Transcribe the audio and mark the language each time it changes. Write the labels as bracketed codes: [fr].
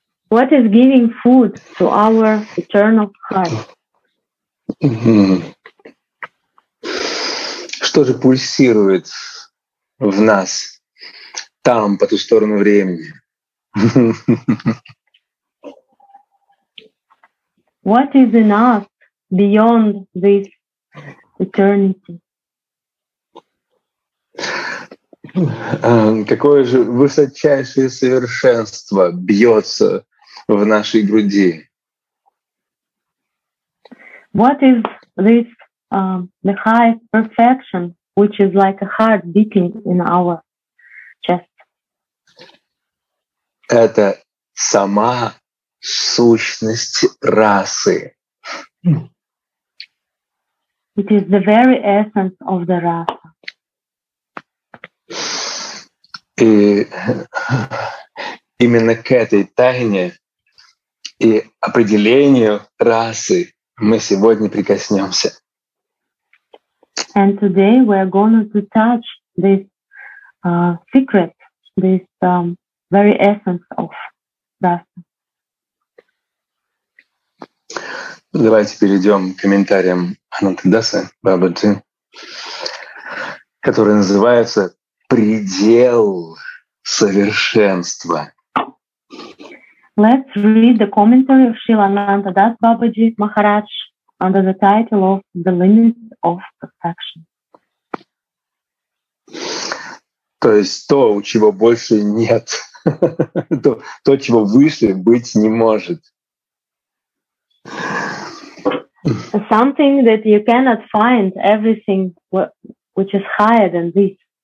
[en] What is giving food to our eternal heart? [ru] Что же пульсирует в нас там, по ту сторону времени? [en] What is in us beyond this eternity? [ru] Какое же высочайшее совершенство бьется в нашей груди? [en] What is this the highest perfection, which is like a heart beating in our chest? [ru] Это сама сущность расы. [en] It is the very essence of the rasa. [ru] И именно к этой тайне и определению расы мы сегодня прикоснемся. [en] And today we are going to touch this secret, this very essence of rasa. [ru] Давайте перейдем к комментариям Анантадасы Бабаджи, который называется «Предел совершенства». [en] Let's read the commentary of Srila Anantadas Babaji Maharaj under the title of The Limits of Perfection. [ru] То есть то, у чего больше нет, то, чего выше быть не может. [en] Something that you cannot find, everything which is higher than this.